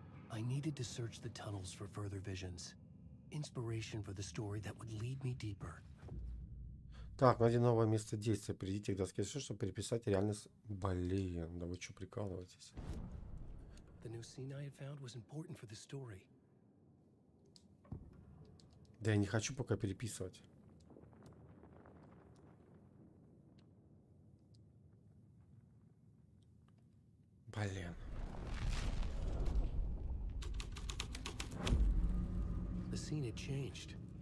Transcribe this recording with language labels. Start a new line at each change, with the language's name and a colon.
English: I needed to search the tunnels for further visions, inspiration for the story that would lead me deeper.
Russian: Так, найди новое место действия. Придите к доске, чтобы переписать реальность. Блин, да вы что прикалываетесь?
English: The new scene I had found was important for the story.
Russian: Да я не хочу пока переписывать. Блин.
English: The scene had changed.